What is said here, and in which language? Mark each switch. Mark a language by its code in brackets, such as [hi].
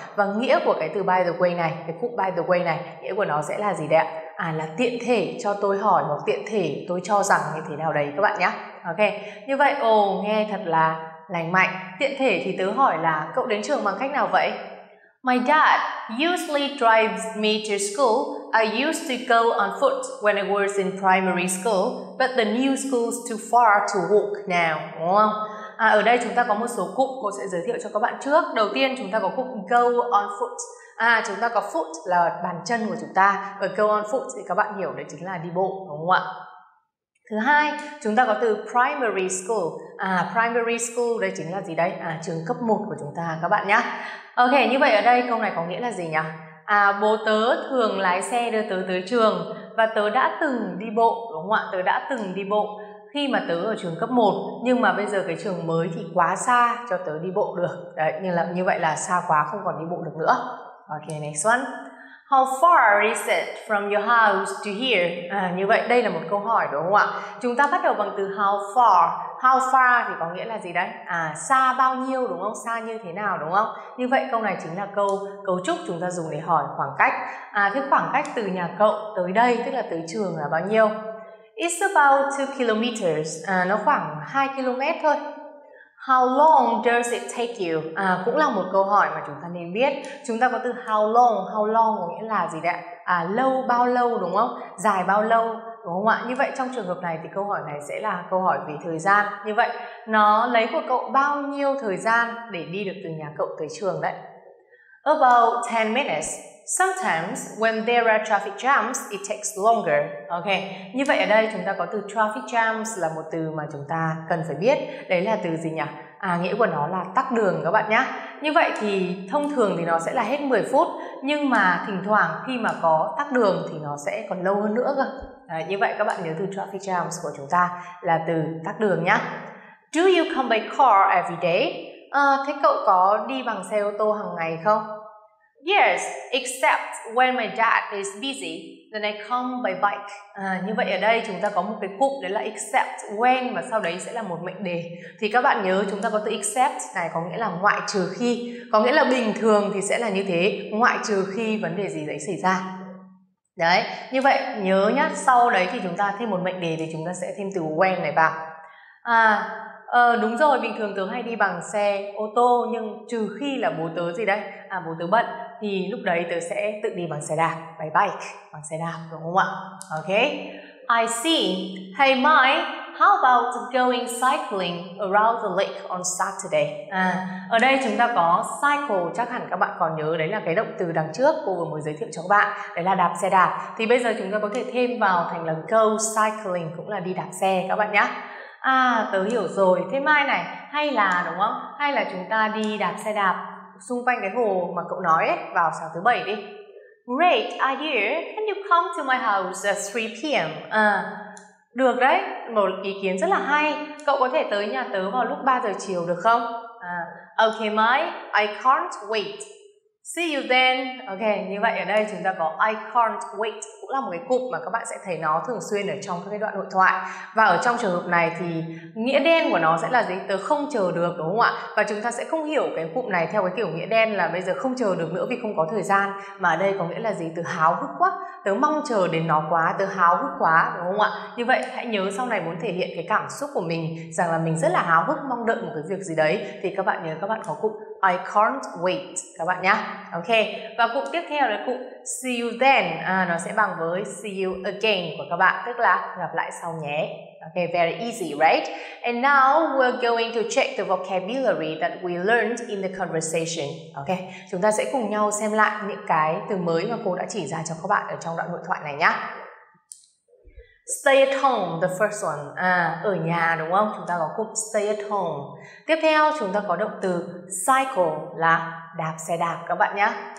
[vi] Và nghĩa của cái từ by the way này, cái cụm by the way này, nghĩa của nó sẽ là gì đấy ạ? À, là tiện thể cho tôi hỏi hoặc tiện thể tôi cho rằng như thế nào đấy các bạn nhé. Ok, như vậy, ồ, nghe thật là lành mạnh. Tiện thể thì tớ hỏi là cậu đến trường bằng cách nào vậy? [en] My dad usually drives me to school. I used to go on foot when I was in primary school, but the new school's too far to walk now. [vi] Đúng không? À, ở đây chúng ta có một số cụm cô sẽ giới thiệu cho các bạn trước. Đầu tiên chúng ta có cụm go on foot. À, chúng ta có foot là bàn chân của chúng ta. Và go on foot thì các bạn hiểu đấy chính là đi bộ, đúng không ạ? Thứ hai, chúng ta có từ primary school. À, primary school đây chính là gì đây? À, trường cấp 1 của chúng ta các bạn nhá. Ok, như vậy ở đây câu này có nghĩa là gì nhỉ? À, bố tớ thường lái xe đưa tớ tới trường. Và tớ đã từng đi bộ, đúng không ạ? Tớ đã từng đi bộ khi mà tớ ở trường cấp 1. Nhưng mà bây giờ cái trường mới thì quá xa cho tớ đi bộ được. Đấy, nhưng là như vậy là xa quá không còn đi bộ được nữa. [en] Ok, next one. How far is it from your house to here? [vi] À, như vậy đây là một câu hỏi đúng không ạ? Chúng ta bắt đầu bằng từ how far. How far thì có nghĩa là gì đấy? À, xa bao nhiêu đúng không? Xa như thế nào đúng không? Như vậy câu này chính là câu cấu trúc chúng ta dùng để hỏi khoảng cách. À, cái khoảng cách từ nhà cậu tới đây, tức là tới trường là bao nhiêu? [en] It's about 2 kilometers. [vi] À, nó khoảng 2 km thôi. [en] How long does it take you? [vi] À, cũng là một câu hỏi mà chúng ta nên biết. Chúng ta có từ how long. How long có nghĩa là gì đấy? À, lâu, bao lâu đúng không? Dài bao lâu đúng không ạ? Như vậy trong trường hợp này thì câu hỏi này sẽ là câu hỏi về thời gian. Như vậy nó lấy của cậu bao nhiêu thời gian để đi được từ nhà cậu tới trường đấy? [en] About 10 minutes. Sometimes when there are traffic jams, it takes longer. [vi] Ok, như vậy ở đây chúng ta có từ traffic jams là một từ mà chúng ta cần phải biết. Đấy là từ gì nhỉ? À, nghĩa của nó là tắc đường các bạn nhé. Như vậy thì thông thường thì nó sẽ là hết 10 phút. Nhưng mà thỉnh thoảng khi mà có tắc đường thì nó sẽ còn lâu hơn nữa cơ. Đấy, như vậy các bạn nhớ từ traffic jams của chúng ta là từ tắc đường nhé. [en] Do you come by car every day? [vi] À, thế cậu có đi bằng xe ô tô hàng ngày không? [en] Yes, except when my dad is busy, then I come by bike. [vi] À, như vậy ở đây chúng ta có một cái cụm đấy là except when và sau đấy sẽ là một mệnh đề. Thì các bạn nhớ chúng ta có từ except này có nghĩa là ngoại trừ khi. Có nghĩa là bình thường thì sẽ là như thế, ngoại trừ khi vấn đề gì đấy xảy ra. Đấy, như vậy nhớ nhá, sau đấy thì chúng ta thêm một mệnh đề thì chúng ta sẽ thêm từ when này vào. À, đúng rồi, bình thường tớ hay đi bằng xe ô tô nhưng trừ khi là bố tớ gì đấy, à bố tớ bận thì lúc đấy tớ sẽ tự đi bằng xe đạp, by bike, bằng xe đạp đúng không ạ? [en] Ok. I see. Hey Mai, how about going cycling around the lake on Saturday? [vi] À, ở đây chúng ta có cycle, chắc hẳn các bạn còn nhớ đấy là cái động từ đằng trước cô vừa mới giới thiệu cho các bạn, đấy là đạp xe đạp. Thì bây giờ chúng ta có thể thêm vào thành lần go cycling cũng là đi đạp xe các bạn nhé. À, tớ hiểu rồi. Thế Mai này, hay là đúng không? Hay là chúng ta đi đạp xe đạp xung quanh cái hồ mà cậu nói ấy, vào sáng thứ bảy đi. [en] Great idea. Can you come to my house at 3 p.m.? [vi] À, được đấy. Một ý kiến rất là hay. Cậu có thể tới nhà tớ vào lúc 3 giờ chiều được không? [en] À, okay, Mai. I can't wait. See you then. [vi] Ok, như vậy ở đây chúng ta có I can't wait, cũng là một cái cụm mà các bạn sẽ thấy nó thường xuyên ở trong các cái đoạn hội thoại. Và ở trong trường hợp này thì nghĩa đen của nó sẽ là gì? Tớ không chờ được đúng không ạ? Và chúng ta sẽ không hiểu cái cụm này theo cái kiểu nghĩa đen là bây giờ không chờ được nữa vì không có thời gian. Mà ở đây có nghĩa là gì? Tớ háo hức quá, tớ mong chờ đến nó quá, tớ háo hức quá đúng không ạ? Như vậy hãy nhớ sau này muốn thể hiện cái cảm xúc của mình rằng là mình rất là háo hức, mong đợi một cái việc gì đấy thì các bạn nhớ các bạn có cụm I can't wait các bạn nhá. Ok. Và cụm tiếp theo là cụm see you then. À, nó sẽ bằng với see you again của các bạn, tức là gặp lại sau nhé. [en] Ok, very easy, right? And now we're going to check the vocabulary that we learned in the conversation. [vi] Ok, chúng ta sẽ cùng nhau xem lại những cái từ mới mà cô đã chỉ ra cho các bạn ở trong đoạn hội thoại này nhá. [en] Stay at home, the first one. [vi] À, ở nhà đúng không? Chúng ta có cụm stay at home. Tiếp theo chúng ta có động từ cycle là đạp xe đạp các bạn nhé.